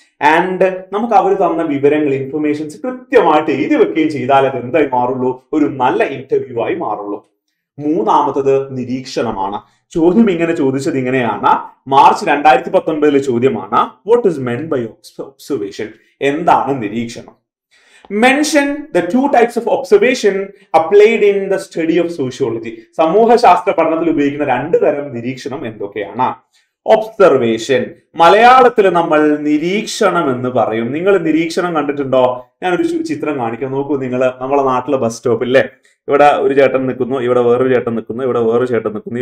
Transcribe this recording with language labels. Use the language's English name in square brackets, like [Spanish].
[Malayalam] And നമുക്ക് അവർ തന്ന വിവരങ്ങൾ, ഇൻഫർമേഷൻസ് കൃത്യമായിട്ട് എഴുതി വെക്കുകയും ചെയ്താൽ അത് എന്തായി മാറുള്ളൂ, ഒരു നല്ല ഇന്റർവ്യൂ ആയി മാറുള്ളൂ. മൂന്നാമത്തത് നിരീക്ഷണമാണ്. ചോദ്യം ഇങ്ങനെ ചോദിച്ചത് ഇങ്ങനെയാണ്, March 2019 ചോദ്യമാണ്, [English] what is meant by observation, [Malayalam] എന്താണ് നിരീക്ഷണം. [English] Mention the two types of observation applied in the study of sociology. [Malayalam] സമൂഹ ശാസ്ത്ര പഠനത്തിൽ ഉപയോഗിക്കുന്ന രണ്ട് തരം നിരീക്ഷണം എന്തൊക്കെയാണ്? ഒബ്സർവേഷൻ, മലയാളത്തിൽ നമ്മൾ നിരീക്ഷണം എന്ന് പറയും. നിങ്ങൾ നിരീക്ഷണം കണ്ടിട്ടുണ്ടോ? ഞാനൊരു ചിത്രം കാണിക്കാം, നോക്കൂ നിങ്ങൾ. നമ്മളെ നാട്ടിലെ ബസ് സ്റ്റോപ്പില്ലേ, ഇവിടെ ഒരു ചേട്ടൻ നിൽക്കുന്നു, ഇവിടെ വേറൊരു ചേട്ടൻ നിൽക്കുന്നു, ഇവിടെ വേറൊരു ചേട്ടൻ നിൽക്കുന്നു.